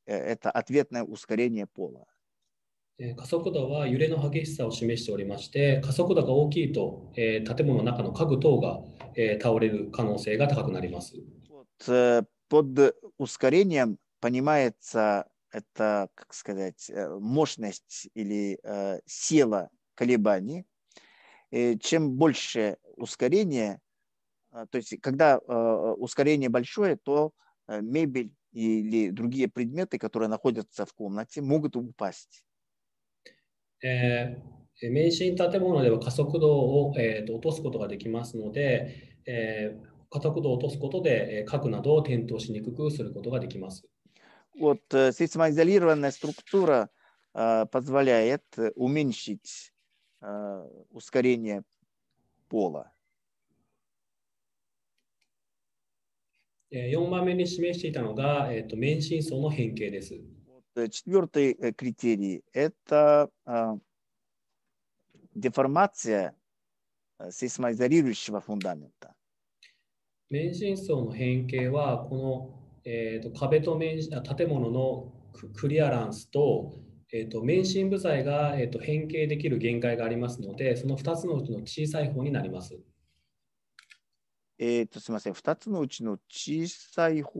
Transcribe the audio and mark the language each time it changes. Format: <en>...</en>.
<ru>Это ответное ускорение пола.</ru> <ja>加速度は揺れの激しさを示しておりまして、加速度が大きいと建物の中の家具等が倒れる可能性が高くなります。</ja> <ru>Вот, под ускорением понимается это, как сказать, мощность или сила колебаний. И чем больше ускорение, то есть когда ускорение большое, то мебель или другие предметы, которые находятся в комнате, могут упасть.</ru> <ja>免震建物では加速度を落とすことができますので、加速度を落とすことで家具などを転倒しにくくすることができます。</ja> <ru>Вот сейсмоизолированная структура позволяет уменьшить ускорение пола.</ru> <ja>4番目に示していたのが免震層の変形です。</ja> <ru>Четвертый критерий – это деформация сейсмоизолирующего фундамента.</ru> <ja>免震層の変形はこの、壁と面建物のクリアランスと、免震部材が、変形できる限界がありますので、その2つのうちの小さい方になります。すみません、2つのうちの小さい方</ja>